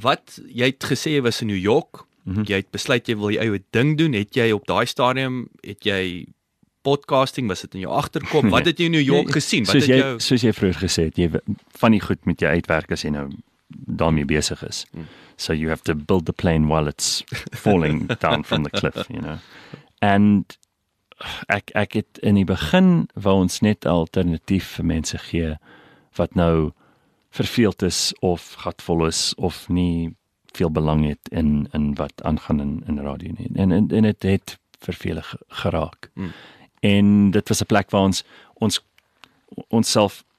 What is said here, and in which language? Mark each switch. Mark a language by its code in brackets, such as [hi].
[af] Wat jy het gesê jy was in New York. Mm-hmm. Jy het besluit jy wil jou eie ding doen. Het jy op daai stadium, het jy podcasting, was dit in jou agterkop? Wat het jy in New York gesien? Soos jy vroeger gesê het, jy van die goed met jou uitwerk as jy nou daarmee besig is. [en] So you have to build the plane while it's falling down from the cliff, you know. [af] And ek het in die begin wou ons net alternatief vir mense gee wat nou verveeld is of gatvol is of nie veel belang het in wat aangaan in radio nie. En het het vervelig geraak. Mm. En dit was 'n plek waar ons self